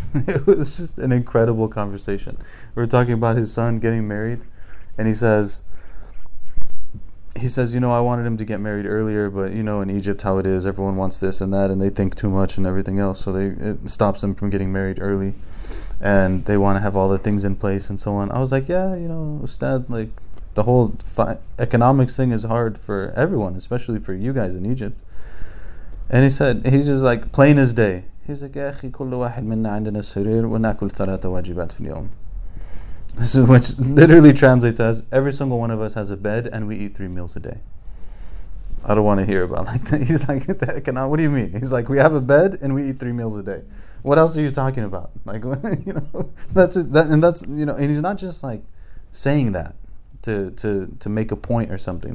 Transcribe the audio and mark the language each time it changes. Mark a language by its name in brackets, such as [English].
[English] It was just an incredible conversation. We're talking about his son getting married, and he says, you know, I wanted him to get married earlier, but you know, in Egypt, how it is, everyone wants this and that, and they think too much and everything else, so it stops them from getting married early, and they want to have all the things in place and so on. I was like, yeah, you know, Ustad, like, the whole economics thing is hard for everyone, especially for you guys in Egypt. And he's just like, plain as day. He's like, [Arabic] أخي كل واحد منا عندنا سرير ونأكل ثلاثة واجبات في اليوم. [English] Which literally translates as, every single one of us has a bed and we eat 3 meals a day. I don't want to hear about like that. He's like, what do you mean? He's like, we have a bed and we eat 3 meals a day. What else are you talking about? Like, you know, and he's not just like saying that to make a point or something.